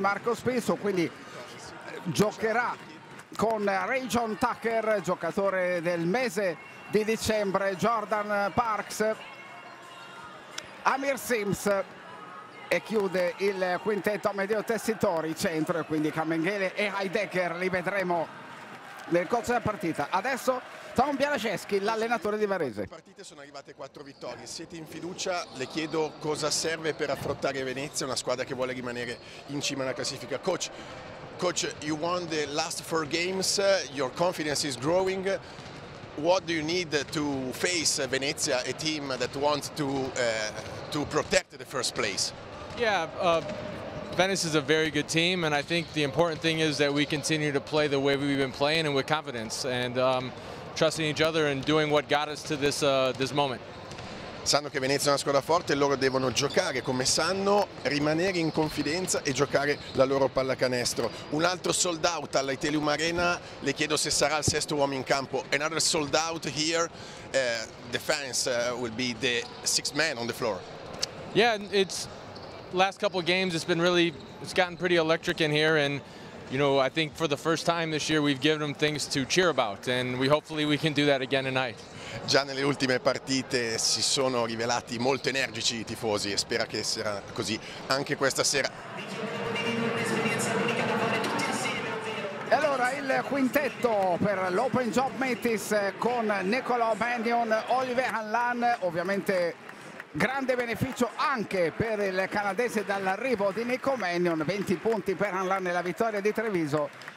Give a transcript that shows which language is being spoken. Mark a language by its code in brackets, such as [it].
[it] Marco Spisso quindi giocherà con Rajon Tucker, giocatore del mese di dicembre, Jordan Parks, Amir Sims, e chiude il quintetto a medio tessitori, centro, e quindi Cabenghele e Heidegger li vedremo nel corso della partita. Adesso Tom Bialaceschi, l'allenatore di Varese. Le partite sono arrivate 4 vittorie, siete in fiducia, le chiedo cosa serve per affrontare Venezia, una squadra che vuole rimanere in cima alla classifica. [en] Coach, you won the last 4 games, your confidence is growing. What do you need to face Venezia, a team that wants to protect the first place? Yeah, Venice is a very good team, and I think the important thing is that we continue to play the way we've been playing and with confidence and trusting each other and doing what got us to this this moment. [it] Sanno che Venezia è una squadra forte e loro devono giocare come sanno, rimanere in confidenza e giocare la loro pallacanestro. Un altro sold out alla Itelium Arena, le chiedo se sarà il sesto uomo in campo. [en] Another sold out here, the fans will be the sixth man on the floor. Yeah, it's last couple of games it's been really, it's gotten pretty electric in here, and you know, I think for the first time this year we've given them things to cheer about, and we hopefully we can do that again tonight. [it] Già nelle ultime partite si sono rivelati molto energici i tifosi e spera che sarà così anche questa sera. E allora il quintetto per l'Open Job Metis con Nicolò Mannion, Olivier Hanlan, ovviamente grande beneficio anche per il canadese dall'arrivo di Nico Mannion, 20 punti per Hanlan nella vittoria di Treviso.